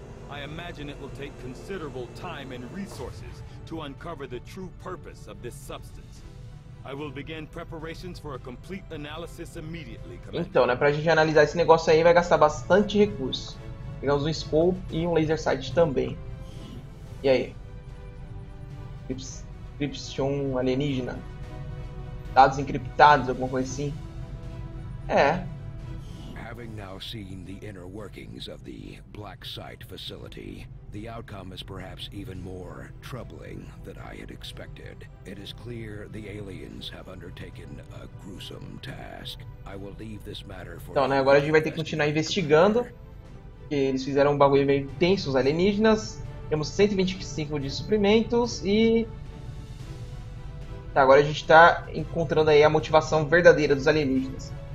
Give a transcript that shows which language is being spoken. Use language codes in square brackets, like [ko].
[en] I imagine it will take considerable time and resources to uncover the true purpose of this substance. I will begin preparations for a complete analysis immediately. [pt] Então, né, pra gente analisar esse negócio aí vai gastar bastante recurso. Pegamos um scope e um laser sight também. E aí? Encryption alienígena. Dados encriptados, alguma coisa assim. É. [en] Having now seen the inner workings of the Black Site facility, the outcome is perhaps even more troubling than I had expected. It is clear the aliens have undertaken a gruesome task. I will leave this matter for... [pt] Então, né, agora a gente vai ter que continuar investigando, porque eles fizeram um bagulho meio tenso, os alienígenas. Temos 125 de suprimentos e... Tá, agora a gente tá encontrando aí a motivação verdadeira dos alienígenas.